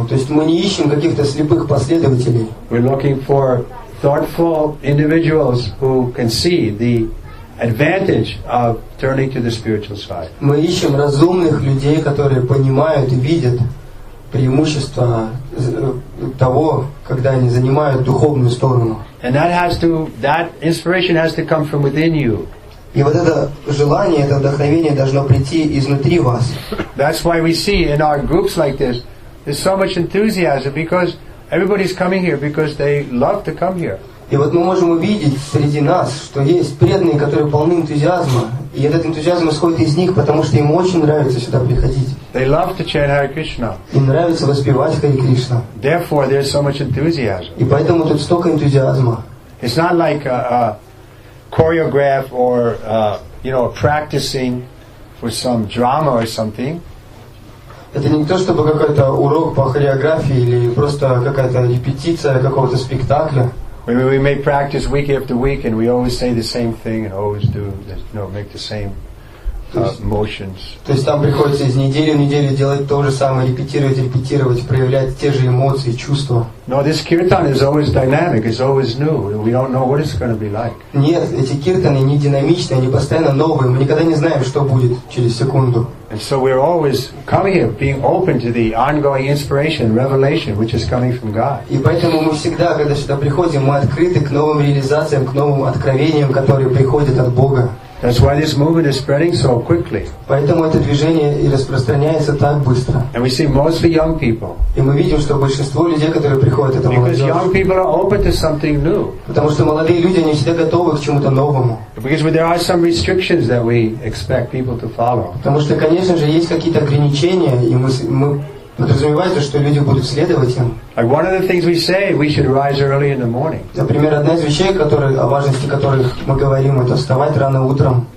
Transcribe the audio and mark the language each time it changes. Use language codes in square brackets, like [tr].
[ru] То есть мы не ищем каких-то слепых последователей. [en] We're looking for thoughtful individuals who can see the advantage of turning to the spiritual side. [ru] Мы ищем разумных людей, которые понимают и видят преимущество того, когда они занимают духовную сторону. [en] And that inspiration has to come from within you. [ru] И вот это желание, это вдохновение должно прийти изнутри вас. [en] That's why we see in our groups like this, there's so much enthusiasm because everybody's coming here because they love to come here. [ru] И вот мы можем увидеть среди нас, что есть преданные, которые полны энтузиазма. И этот энтузиазм исходит из них, потому что им очень нравится сюда приходить. [en] They love to chant Hare Krishna. [ru] Им нравится воспевать Хари Кришна. [en] Therefore, there's so much enthusiasm. [ru] И поэтому тут столько энтузиазма. [en] It's not like a choreograph or you know, practicing for some drama or something. [ru] Это не то, чтобы какой-то урок по хореографии или просто какая-то репетиция какого-то спектакля. [en] Maybe we may practice week after week and we always say the same thing and always do the, you know, make the same motions. [ru] То есть там приходится из недели в неделю делать то же самое, репетировать, проявлять те же эмоции, чувства. [en] No, this kirtan is always dynamic, it's always new. We don't know what it's going to be like. [ru] Нет, эти киртаны не динамичные, они постоянно новые. Мы никогда не знаем, что будет через секунду. [en] And so we're always coming here, being open to the ongoing inspiration, revelation, which is coming from God. [ru] И поэтому мы всегда, когда сюда приходим, мы открыты к новым реализациям, к новым откровениям, которые приходят от Бога. [en] That's why this movement is spreading so quickly. [ru] Поэтому это движение и распространяется так быстро. [en] And we see mostly young people. [ru] И мы видим, что большинство людей, которые приходят, это молодежь. [en] Because young people are open to something new. [ru] Потому что молодые люди, они всегда готовы к чему-то новому. [en] Because there are some restrictions that we expect people to follow. [ru] Потому что, конечно же, есть какие-то ограничения, и мы подразумевается, что люди будут следовать им. [en] Like one of the things we say, we should rise early in the morning. [ru] Например, одна из вещей, о важности которых мы говорим, это вставать рано утром.